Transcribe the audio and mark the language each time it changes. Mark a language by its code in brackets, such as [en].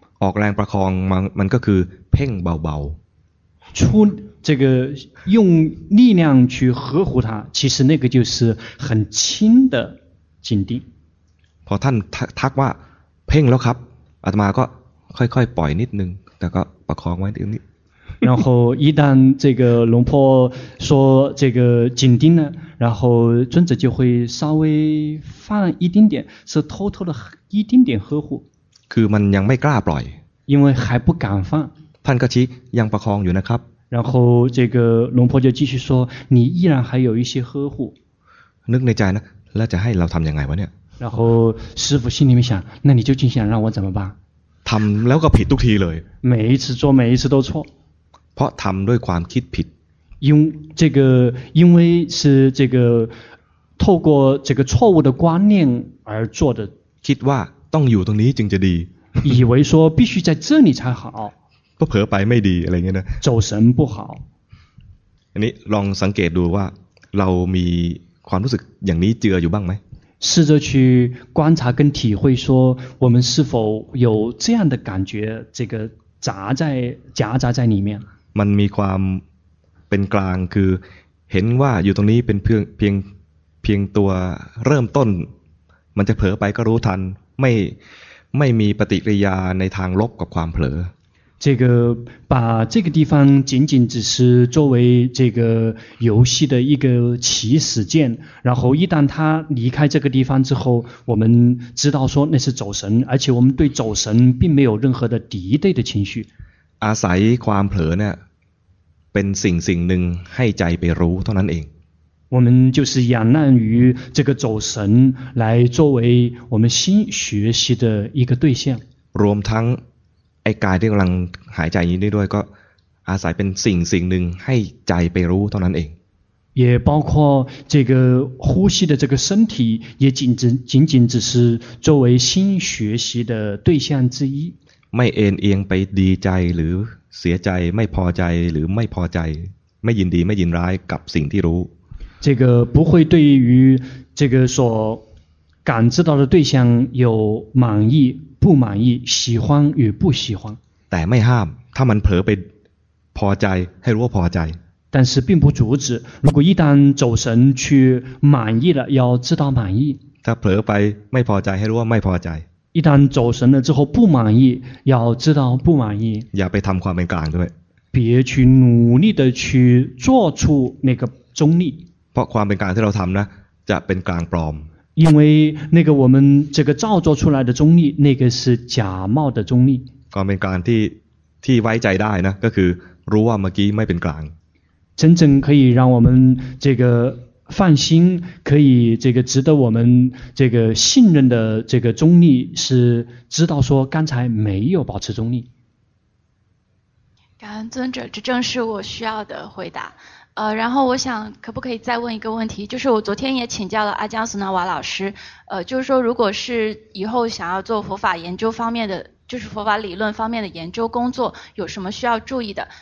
[th] ออกแรงประคองมันก็คือเพ่งเบา [zh] ๆ出这个用力量去呵护它其实那个就是很轻的紧盯 [th] พอท่านทักว่าเพ่งแล้วครับอาตมาก็ค่อยๆปล่อยนิดนึงแต่ก็ประคองไว้นิดนึง [zh] 然后一旦这个龙婆说这个紧盯呢然后尊者就会稍微放一丁点是偷偷的一丁点呵护 [th] คือมันยังไม่กล้าปล่อย [zh] 因为还不敢放 [th] ท่านก็ชี้ยังประคองอยู่นะครับ [zh] 然后这个龙婆就继续说你依然还有一些呵护 [th] นึกในใจนะแล้วจะให้เราทำยังไงวะเนี่ย [zh] 然后师父心里面想那你究竟想让我怎么办 [th] ทำแล้วก็ผิดทุกทีเลย [zh] 每一次做每一次都错 [th] เพราะทำด้วยความคิดผิด [zh] 因这个因为是这个透过这个错误的观念而做的 [th] คิดว่าต้องอยู่ตรงนี้จึงจะดี [zh] 以为说必须在这里才好 [th] เผลอไปไม่ดีอะไรเงี้ยนะ [zh] 走神不好 [th] อันนี้ลองสังเกตดูว่าเรามีความรู้สึกอย่างนี้เจออยู่บ้างไหม [zh] 试着去观察跟体会说我们是否有这样的感觉这个夹在夹杂在里面 [th] มันมีความเป็นกลางคือเห็นว่าอยู่ตรงนี้เป็นเพียงตัวเริ่มต้นมันจะเผลอไปก็รู้ทันไม่มีปฏิกิริยาในทางลบกับความเผลอ [zh] 这个把这个地方仅仅只是作为这个游戏的一个起始键，然后一旦他离开这个地方之后，我们知道说那是走神，而且我们对走神并没有任何的敌对的情绪。 [th] อาศัยความเผลอเนี่ยเป็นสิ่งหนึ่งให้ใจไปรู้เท่านั้นเอง。 [zh] 我们就是仰赖于这个走神来作为我们新学习的一个对象。 [th] รวมทั้งไอ้กายที่กำลังหายใจนี้ด้วยก็อาศัยเป็นสิ่งหนึ่งให้ใจไปรู้เท่านั้นเอง [zh] 也包括这个呼吸的这个身体也仅仅只是作为新学习的对象之一 [th] ไม่เอ็นเอียงไปดีใจหรือเสียใจไม่พอใจหรือไม่พอใจไม่ยินดีไม่ยินร้ายกับสิ่งที่รู้ [zh] 这个不会对于这个所感知到的对象有满意不满意喜欢与不喜欢 [th] แต่ไม่ห้ามถ้ามันเผลอไปพอใจให้รู้ว่าพอใจ [zh] 但是并不阻止如果一旦走神去满意了要知道满意 [th] ถ้าเผลอไปไม่พอใจให้รู้ว่าไม่พอใจ [zh] 一旦走神了之后不满意要知道不满意 [th] อย่าไปทำความเป็นกลางด้วย [zh] 别去努力的去做出那个中立 [th] เพราะความเป็นกลางที่เราทำนะจะเป็นกลางปลอม [zh] 因为那个我们这个造作出来的中立，那个是假冒的中立。 [th] ความเป็นกลางที่ไว้ใจได้นะก็คือรู้ว่าเมื่อกี้ไม่เป็นกลาง。 [zh] 真正可以让我们这个放心，可以这个值得我们这个信任的这个中立，是知道说刚才没有保持中立。感恩尊者，这正是我需要的回答。然后我想可不可以再问一个问题，就是我昨天也请教了阿江苏纳瓦老师，就是说如果是以后想要做佛法研究方面的，就是佛法理论方面的研究工作，有什么需要注意的？